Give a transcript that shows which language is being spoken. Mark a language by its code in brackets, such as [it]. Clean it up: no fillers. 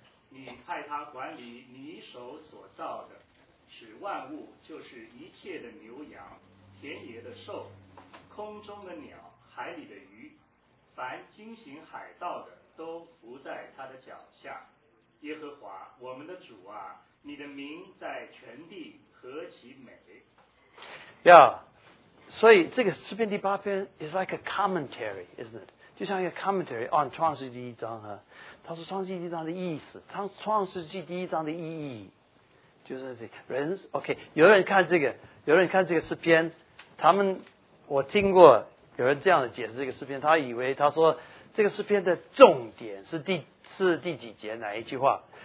[zh] 你派他管理你手所造的，使万物，就是一切的牛羊、田野的兽、空中的鸟、海里的鱼，凡惊醒海盗的，都伏在他的脚下。耶和华我们的主啊，你的名在全地何其美！呀、yeah, ，所以这个诗篇第八篇 [en] is like a commentary, isn't it? [zh] 就像一个 commentary on 创世纪一章啊。他说创世纪一章的意思，创世纪第一章的意义，就是这人 OK, 有人看这个，有人看这个诗篇，他们我听过有人这样的解释这个诗篇，他以为他说这个诗篇的重点是第几节哪一句话。